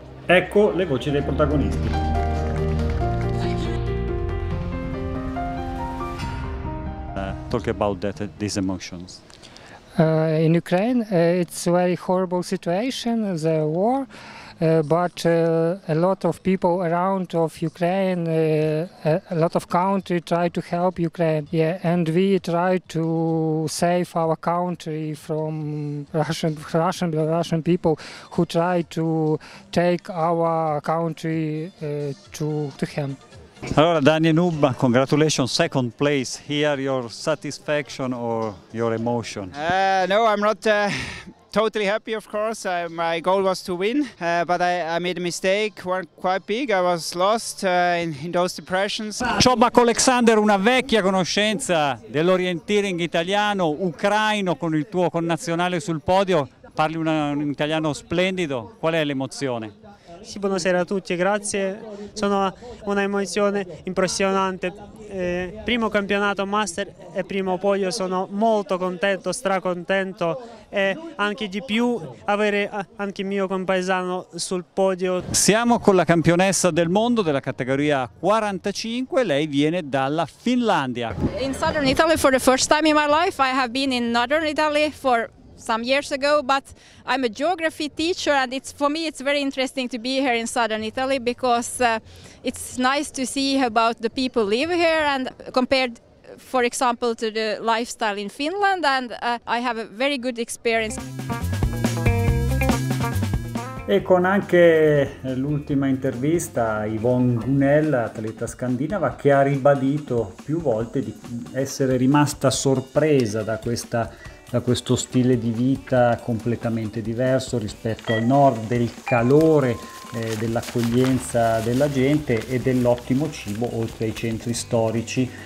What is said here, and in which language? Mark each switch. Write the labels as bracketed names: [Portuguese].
[Italian] Ecco le voci dei protagonisti. [English] Talk about that, these emotions. In Ukraine, it's a very horrible situation, the war. but a lot of people around of Ukraine, a lot of country try to help Ukraine. Yeah, and we try to save our country from Russian people who try to take our country to him. [Italian] Allora, [English] Daniel Nuba, congratulations, second place. Here, your satisfaction or your emotion? No, I'm not totally happy, of course. My goal was to win, but I made a mistake, one quite big. I was lost in those depressions. [Italian] Ciobba con Alexander, una vecchia conoscenza dell'orienteering italiano, ucraino, con il tuo connazionale sul podio. Parli un italiano splendido. Qual è l'emozione? Sì, buonasera a tutti, grazie. Sono una emozione impressionante. Primo campionato Master e primo podio, sono molto contento, stracontento, e anche di più avere anche mio compaesano sul podio. Siamo con la campionessa del mondo della categoria 45, lei viene dalla Finlandia. [English] In Southern Italy for the first time in my life, I have been in Northern Italy for some years ago, but I'm a geography teacher, and it's for me it's very interesting to be here in Southern Italy because it's nice to see about the people live here and compared, for example, to the lifestyle in Finland, and I have a very good experience. [Italian] E con anche l'ultima intervista, Yvonne Gunell, atleta scandinava, che ha ribadito più volte di essere rimasta sorpresa da questo stile di vita completamente diverso rispetto al nord, del calore, dell'accoglienza della gente e dell'ottimo cibo oltre ai centri storici.